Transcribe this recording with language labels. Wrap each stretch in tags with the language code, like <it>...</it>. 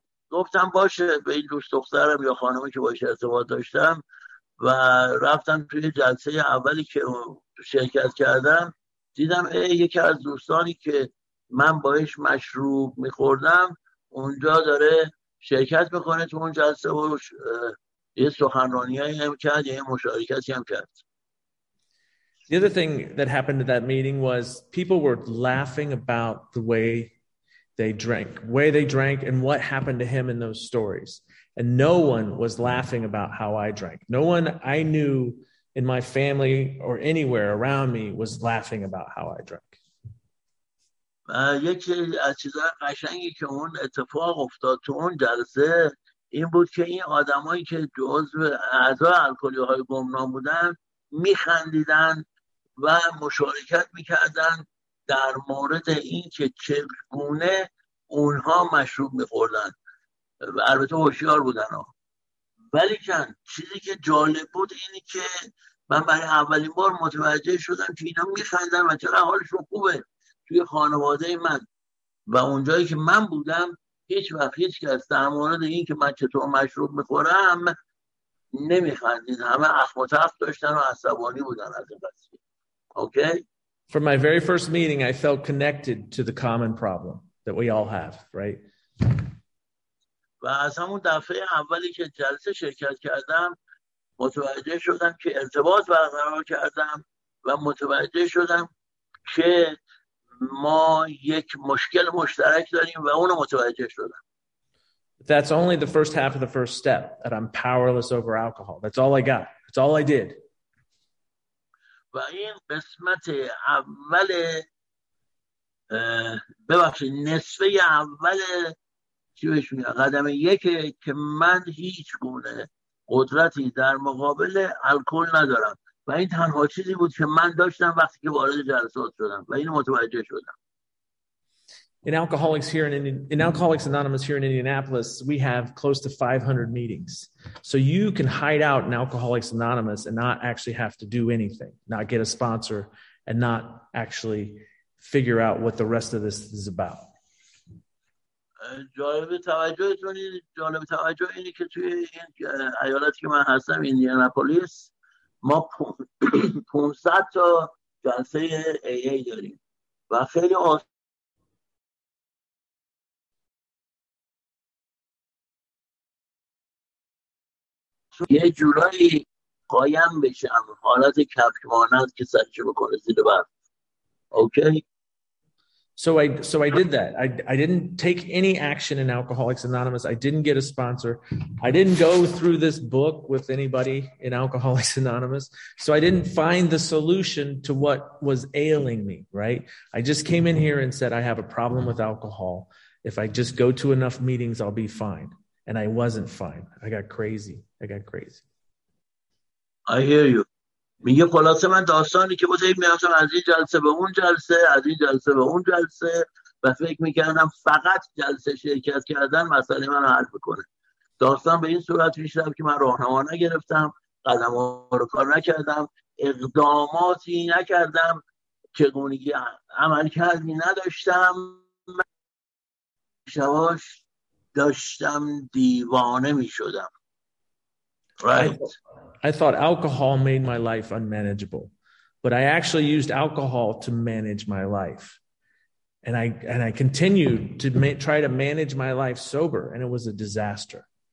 <fa>گفتم باشه به این دوست دخترم یا خانمی که باشه ارتباط داشتم، و رفتم توی جلسه اولی که شرکت کردم دیدم یکی از دوستانی که من باهاش مشروب میخوردم اونجا داره شرکت میکنه تو اون جلسه، و یه سخنرانی هم کرد، یه مشارکتی هم کرد.</fa> <en>The other thing that happened at that meeting was people were laughing about the way they drank, where they drank, and what happened to him in those stories. And no one was laughing about how I drank. No one I knew in my family or anywhere around me was laughing about how I drank.</en> <fa>یکی از چیزهای قشنگی که اون اتفاق افتاد تو اون جلسه این بود که این آدمایی که جزء اعضای الکلی های گمنام بودن میخندیدن و مشارکت میکردن در مورد این که چگونه اونها مشروب میخوردن، البته هوشیار بودن ها. ولی کن چیزی که جالب بود اینی که من برای اولین بار متوجه شدم که اینا میخندن و چرا حالشون خوبه. توی خانواده من و اونجایی که من بودم هیچ وقت هیچ کس در مورد این که من چطور مشروب میخورم نمیخندید، همه اخم و تف داشتن و عصبانی بودن از این قصیه.</fa> <en>Okay? From my very first meeting, I felt connected to the common problem that we all have, right?</en> <fa>و از همون دفعه اولی که جلسه شرکت کردم متوجه شدم که ارتباط برقرار کردم و متوجه شدم که ما یک مشکل مشترک داریم و اونو متوجه شدم.</fa> <en>That's only the first half of the first step, that I'm powerless over alcohol. That's all I got. That's all I did.</en> <fa>و این قسمت اول، ببخشید نصفه اول، چی بهش میگه، قدم یک، که من هیچ گونه قدرتی در مقابل الکل ندارم و این تنها چیزی بود که من داشتم وقتی که وارد جلسات شدم و اینو متوجه شدم.</fa> <en>In Alcoholics here in Alcoholics Anonymous here in Indianapolis, we have close to 500 meetings. So you can hide out in Alcoholics Anonymous and not actually have to do anything, not get a sponsor, and not actually figure out what the rest of this is about.</en> <fa>جالب توجهتون اینه، جالب توجه اینه که توی ایالتی که من هستم ایندیاناپولیس ما 500 تا جلسه AA داریم و خیلی یه جورایی قایم بشم، حالت کفک مانند که سرچه بکنه زیر بر. اوکی؟</fa> <en>So I did that. I didn't take any action in Alcoholics Anonymous. I didn't get a sponsor. I didn't go through this book with anybody in Alcoholics Anonymous. So I didn't find the solution to what was ailing me, right? I just came in here and said, I have a problem with alcohol. If I just go to enough meetings, I'll be fine. And I wasn't fine. I got crazy. I hear you.</en> <fa>میگه خلاصه من داستانی که بوده میافتم از این جلسه به اون جلسه، از این جلسه به اون جلسه و فکر میکردم فقط جلسه شرکت کردن مسئله من رو حل بکنه. داستان به این صورت پیش رفت که من راهنما نگرفتم، قدم ها رو کار نکردم، اقداماتی نکردم که گونگی عمل کردی نداشتم، شواش داشتم دیوانه میشدم.</fa> <en>Right. I thought alcohol made my life unmanageable, but I actually used alcohol to manage my life. And I continued to try to manage my life sober, and it was a disaster.</en>